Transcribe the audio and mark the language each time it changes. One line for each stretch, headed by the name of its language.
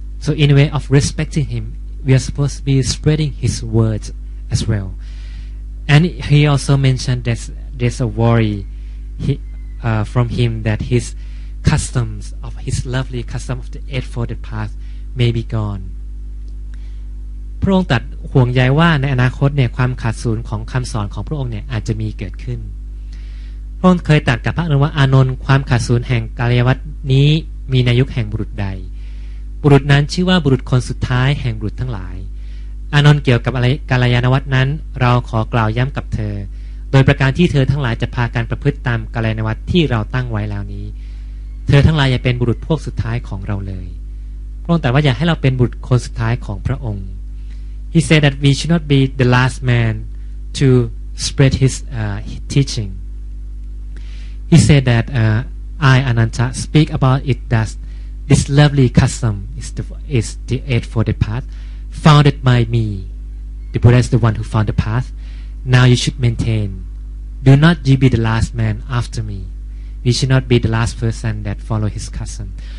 English: So in a way of respecting him, we are supposed to be spreading his words as well. And he also mentioned that there's a worry from him that his customs, of his lovely custom of the Eightfold Path, may be gone.
Thai: พระองค์ตรัสห่วงใยว่าในอนาคตเนี่ยความขาดสูญของคำสอนของพระองค์เนี่ยอาจจะมีเกิดขึ้นพระองค์เคยตรัสกับพระอานนท์ว่าอานนท์ความขาดสูญแห่งกาลยวัฏนี้มีในยุคแห่งบุรุษใด บุรุษนั้นชื่อว่าบุรุษคนสุดท้ายแห่งบุรุษทั้งหลายอานนท์เกี่ยวกับอะไรกาลยานวัฏนั้นเราขอกล่าวย้ำกับเธอโดยประการที่เธอทั้งหลายจะพากันประพฤติตามกาลยานวัฏที่เราตั้งไว้แล้วนี้เธอทั้งหลายอย่าเป็นบุรุษพวกสุดท้ายของเราเลยพระองค์ตรัสว่าอย่าให้เราเป็นบุรุษคนสุดท้ายของพระองค์
English: He said that we should not be the last man to spread his teaching. He said that I, Ananta, speak about it thus. This lovely custom is the Eightfold Path, founded by me. The Buddha is the one who found the path. Now you should maintain. Do not you be the last man after me. You should not be the last person that follow his custom.